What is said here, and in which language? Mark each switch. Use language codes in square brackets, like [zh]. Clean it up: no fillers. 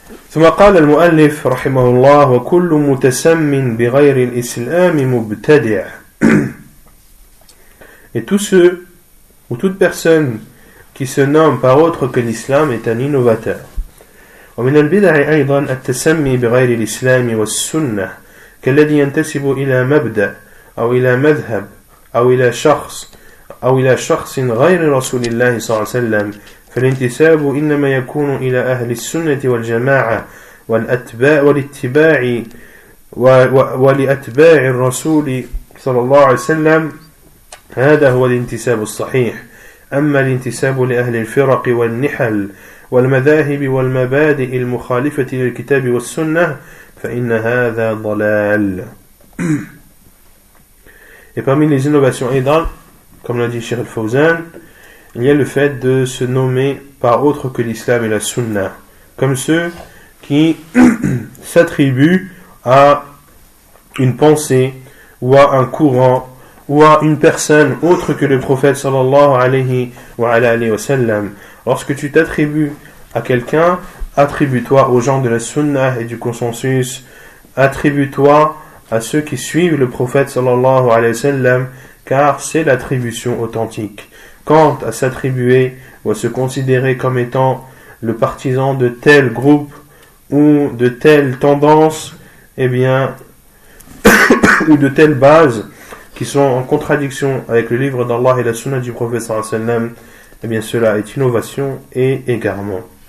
[ar] ثم قال المؤلف رحمه الله وكل متسم بغير الإسلام مبتدع [fr] Et tous ceux ou toute personne qui se nomme par autre que l'islam est un innovateur. [ar] ومن البدع أيضا التسمي بغير الإسلام والسنة كالذي ينتسب إلى مبدأ أو إلى مذهب أو إلى شخص أو إلى شخص غير رسول الله صلى الله عليه وسلم فالانتساب إنما يكون إلى أهل السنة والجماعة والأتباع والاتباع ولأتباع الرسول صلى الله عليه وسلم هذا هو الانتساب الصحيح أما الانتساب لأهل الفرق والنحل والمذاهب والمبادئ المخالفة للكتاب والسنة فإن هذا ضلال [fr] Et parmi les innovations [ar] أيضا [fr] comme l'a dit Cheikh Al-Fawzan il y a le fait de se nommer par autre que l'islam et la sunna, comme ceux qui s'attribuent à une pensée, ou à un courant, ou à une personne autre que le prophète sallallahu alayhi wa sallam. Lorsque tu t'attribues à quelqu'un, attribue-toi aux gens de la sunna et du consensus, attribue-toi à ceux qui suivent le prophète sallallahu alayhi wa sallam, car c'est l'attribution authentique. Quant à s'attribuer ou à se considérer comme étant le partisan de tel groupe ou de telle tendance, eh bien, ou de telle base qui sont en contradiction avec le livre d'Allah et la sunna du prophète sallallahu alayhi wa sallam, eh bien, cela est innovation et égarement.